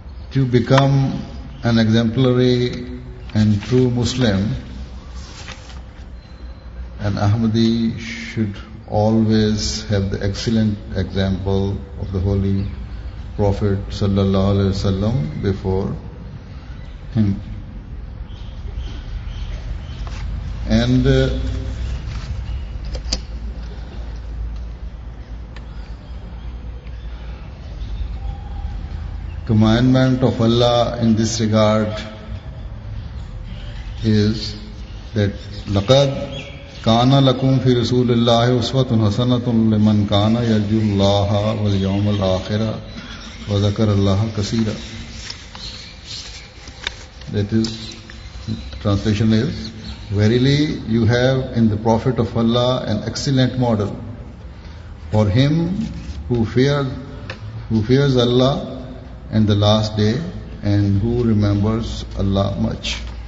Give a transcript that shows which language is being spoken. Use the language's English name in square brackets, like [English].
[English] To become an exemplary and true Muslim, an Ahmadi should always have the excellent example of the Holy Prophet sallallahu alaihi wasallam before him. And commandment of Allah in this regard is that [Arabic] لقد كان لكم في رسول الله أسوة حسنة لمن كان يرجو الله واليوم الآخر وذكر الله كثيرا. [English] That is, translation is, verily you have in the Prophet of Allah an excellent model for him who fears Allah and the last day and who remembers Allah much.